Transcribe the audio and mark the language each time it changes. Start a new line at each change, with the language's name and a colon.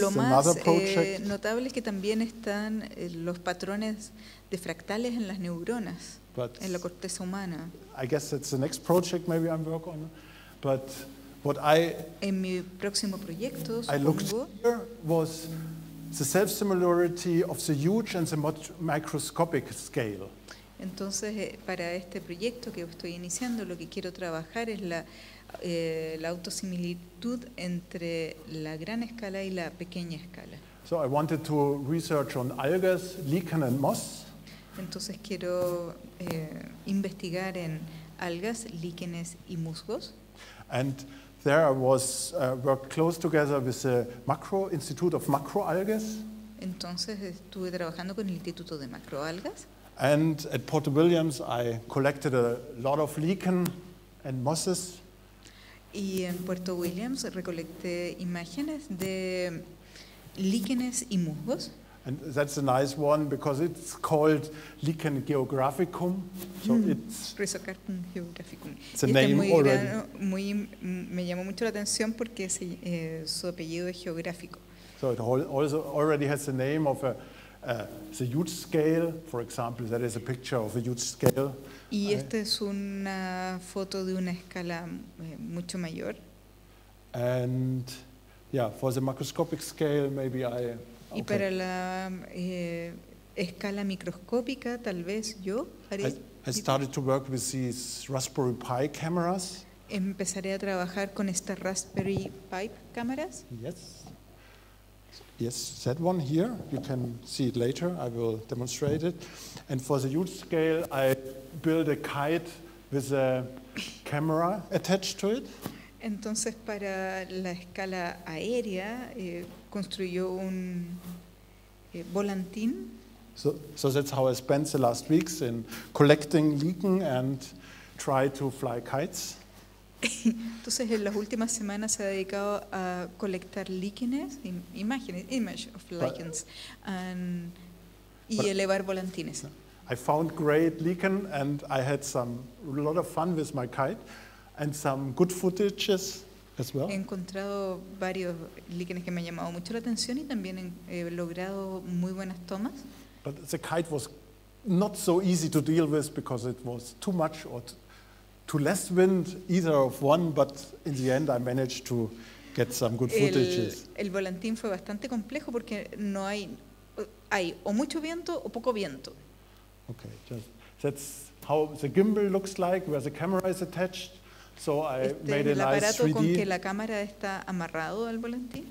Spanish: lo más,
English: another project.
Spanish: Notable es que también están los patrones de fractales en las neuronas,
English: but
Spanish: en la corteza humana.
English: I guess that's the next project maybe I'm working on, but what I
Spanish: en mi próximo proyecto, supongo,
English: I looked here was the self-similarity of the huge and the microscopic scale.
Spanish: Entonces, para este proyecto que estoy iniciando, lo que quiero trabajar es la autosimilitud entre la gran escala y la pequeña escala.
English: So I wanted to research on algas, lichen and moss.
Spanish: Entonces quiero investigar en algas, líquenes y musgos.
English: And there I was worked close together with the macro institute of macroalgas.
Spanish: Entonces estuve trabajando con el instituto de macroalgas.
English: And at Port Williams I collected a lot of lichen and mosses.
Spanish: Y en Puerto Williams recolecté imágenes de líquenes y musgos.
English: And that's a nice one because it's called lichen geographicum. So it's Rhizocarpum geographicum. It's a name already.
Spanish: Muy, me llamó mucho la atención porque es, su apellido es geográfico.
English: So it also already has the name of the huge scale. For example, that is a picture of a huge scale.
Spanish: Y esta es una foto de una escala mucho mayor.
English: And yeah, for the macroscopic scale, maybe I.
Spanish: Y para la escala microscópica, tal vez yo haré.
English: I started to work with these Raspberry Pi cameras.
Spanish: Empezaré a trabajar con estas Raspberry Pi cámaras.
English: Yes. Yes, that one here. You can see it later. I will demonstrate it. And for the huge scale, I build a kite with a camera attached to it.
Spanish: Entonces, para la escala aérea, construyó un volantín.
English: So that's how I spent the last weeks in collecting lichen and try to fly kites.
Spanish: Entonces, en las últimas semanas se ha dedicado a colectar líquenes,
English: image of lichens,
Spanish: y elevar volantines.
English: I found great lichen and I had some lot of fun with my kite and some good footages as well.
Spanish: He encontrado varios líquenes que me han llamado mucho la atención y también he logrado muy buenas tomas.
English: But the kite was not so easy to deal with because it was too much or too less wind, either of one, but in the end I managed to get some good footages.
Spanish: El volantín fue bastante complejo porque no hay, hay o mucho viento o poco viento.
English: Okay, just, that's how the gimbal looks like, where the camera is attached. So I made a nice 3D.
Spanish: Con que la cámara está amarrado al volantín.